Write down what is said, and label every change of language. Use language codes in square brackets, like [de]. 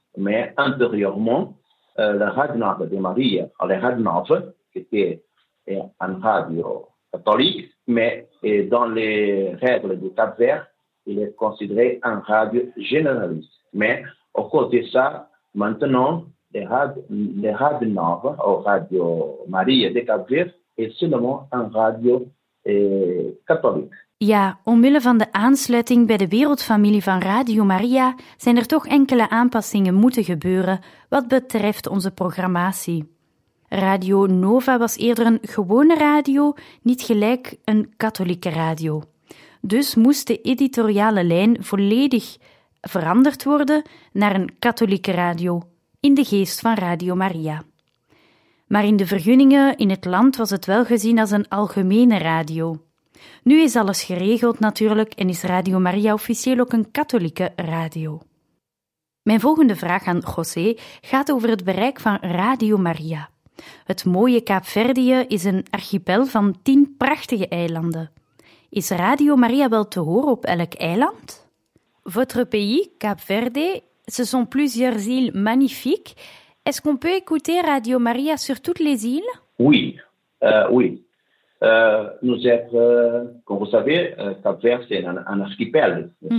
[fr] Mais antérieurement, la Radio Nova de Maria, la Radio Nova, qui était une radio catholique, mais dans les règles du Cap Vert, il est considéré un radio généraliste. Mais au cours de ça, maintenant, les radios Nova ou Radio Maria de Cap-Vert est seulement une radio catholique. [nl] Ja, omwille van de aansluiting bij de wereldfamilie van Radio Maria zijn er toch enkele aanpassingen moeten gebeuren wat betreft onze programmatie. Radio Nova was eerder een gewone radio, niet gelijk een katholieke radio. Dus moest de editoriale lijn volledig veranderd worden naar een katholieke radio, in de geest van Radio Maria. Maar in de vergunningen in het land was het wel gezien als een algemene radio. Nu is alles geregeld natuurlijk en is Radio Maria officieel ook een katholieke radio. Mijn volgende vraag aan José gaat over het bereik van Radio Maria. Het mooie Kaapverdië is een archipel van 10 prachtige eilanden. Is Radio Maria wel te horen op elk eiland? [fr] Votre pays, Cap Verde, ce sont plusieurs îles magnifiques. Est-ce qu'on peut écouter Radio Maria sur toutes les îles? Oui, oui. Nous êtes, comme vous savez, Cap Verde, c'est un archipel, mm-hmm.